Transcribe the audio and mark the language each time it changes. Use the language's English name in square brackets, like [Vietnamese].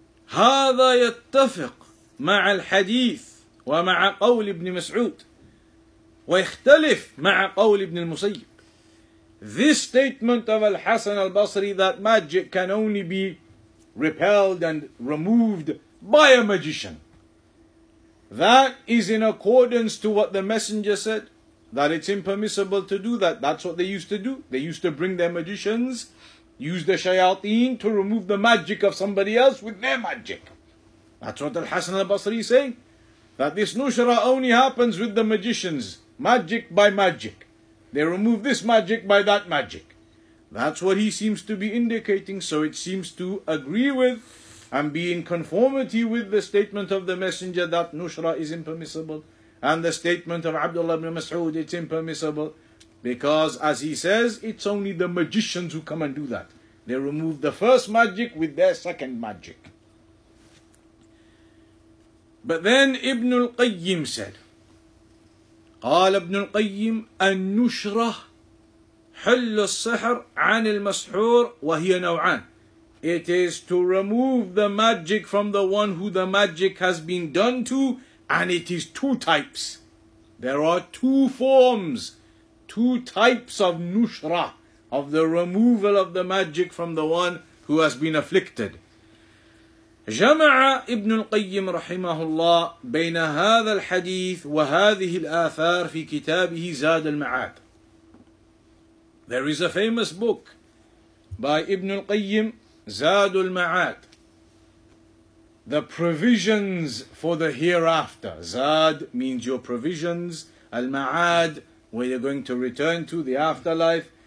[Arabic] هذا يتفق مع الحديث ومع قول ابن مسعود ويختلف مع قول ابن المسيب. [English] This statement of Al-Hasan al-Basri that magic can only be repelled and removed by a magician, that is in accordance to what the messenger said, that it's impermissible to do that. That's what they used to do. They used to bring their magicians, use the shayateen to remove the magic of somebody else with their magic. That's what Al-Hasan al-Basri is saying, that this nushra only happens with the magicians, magic by magic. They remove this magic by that magic. That's what he seems to be indicating. So it seems to agree with and be in conformity with the statement of the messenger that nushra is impermissible, and the statement of Abdullah ibn Mas'ud, it's impermissible, because as he says, it's only the magicians who come and do that. They remove the first magic with their second magic. But then Ibn al-Qayyim said, [Arabic] قال ابن القيم النشرة حل السحر عن المسحور وهي نوعان. [English] It is to remove the magic from the one who the magic has been done to, and it is two types. There are two forms, two types of nushra, of the removal of the magic from the one who has been afflicted. [Arabic] جمع ابن القيم رحمه الله بين هذا الحديث وهذه الآثار في كتابه زاد المعاد. [English] There is a famous book by Ibn al-Qayyim, زاد المعاد, the provisions for the hereafter. Zad means your provisions. Al-Ma'ad, where you're going to return to, the afterlife.